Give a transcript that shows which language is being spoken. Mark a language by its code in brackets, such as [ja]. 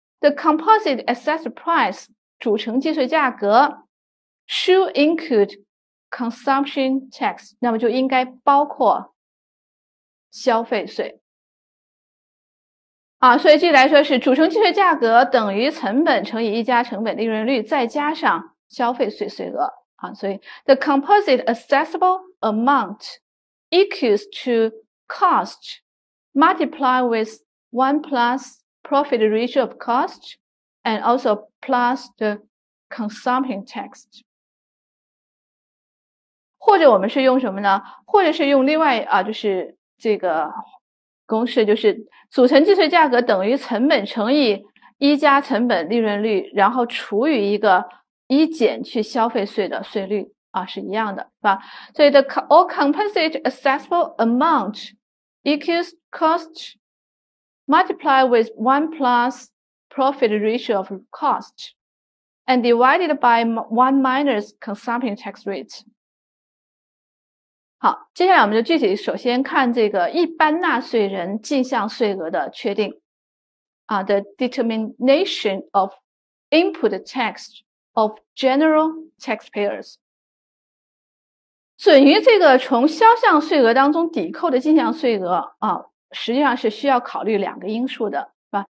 [en] The composite assessed price [zh] 组成计税价格 [en] should include consumption tax， [zh] 那么就应该包括消费税。啊，所以这来说是组成计税价格等于成本乘以一加成本利润率再加上消费税税额。 [en] 啊，所以 the composite assessable amount equals to cost multiply with One plus profit ratio of cost, and also plus the consumption tax。 [zh] 或者我们是用什么呢？或者是用另外啊，就是这个公式，就是组成计税价格等于成本乘以一加成本利润率，然后除以一个一减去消费税的税率啊，是一样的，是吧？ [en] 所以 the all composite assessable amount equals cost。 Multiply with one plus profit ratio of cost, and divided by one minus consumption tax rate。 [zh] 好，接下来我们就具体首先看这个一般纳税人进项税额的确定。 [en] The determination of input tax of general taxpayers。 [zh] 准予这个从销项税额当中抵扣的进项税额实际上是需要考虑两个因素的，是吧？